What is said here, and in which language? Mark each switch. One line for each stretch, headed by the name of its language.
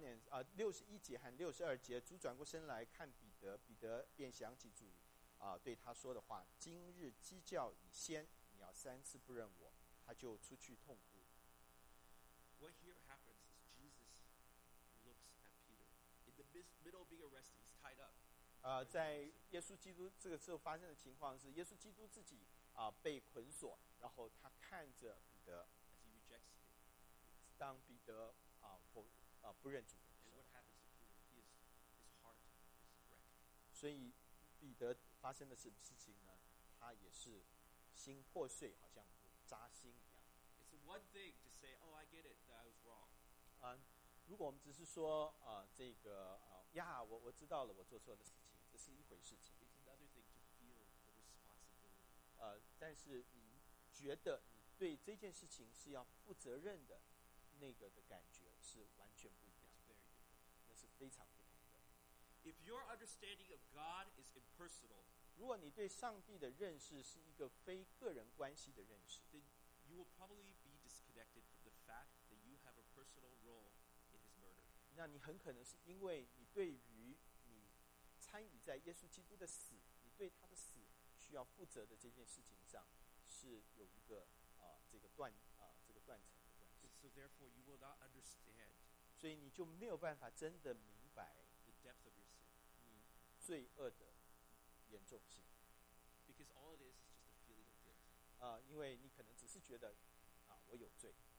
Chinese: 61节和62节，主转过身来看彼得，彼得便想起主对他说的话，今日鸡叫已先，你要三次不认我，他就出去痛哭。
English: What here happens is Jesus looks at Peter in the middle of being arrested. He's tied up.
Chinese: 在耶稣基督这个时候发生的情况是，耶稣基督自己被捆锁，然后他看着彼得。
English: As he rejects him.
Chinese: 当彼得不认主的时候。
English: And what happens to Peter? His heart is wrecked.
Chinese: 所以彼得发生的什么事情呢？他也是心破碎，好像扎心一样。
English: It's one thing to say, "Oh, I get it. That I was wrong."
Chinese: 如果我们只是说这个我知道了，我做错的事情，这是一回事情。
English: It's another thing to feel the responsibility.
Chinese: 但是你觉得你对这件事情是要负责任的，那个的感觉是完全不一样。
English: It's very different.
Chinese: 那是非常不同。
English: If your understanding of God is impersonal,
Chinese: 如果你对上帝的认识是一个非个人关系的认识，
English: then you will probably be disconnected from the fact that you have a personal role in his murder.
Chinese: 那你很可能是因为你对于你参与在耶稣基督的死，你对他的死需要负责的这件事情上是有一个断层的关系。
English: So therefore, you will not understand.
Chinese: 所以你就没有办法真的明白。
English: Depth of your sin.
Chinese: 你罪恶的严重性。
English: Because all it is just a feeling of guilt.
Chinese: 因为你可能只是觉得我有罪。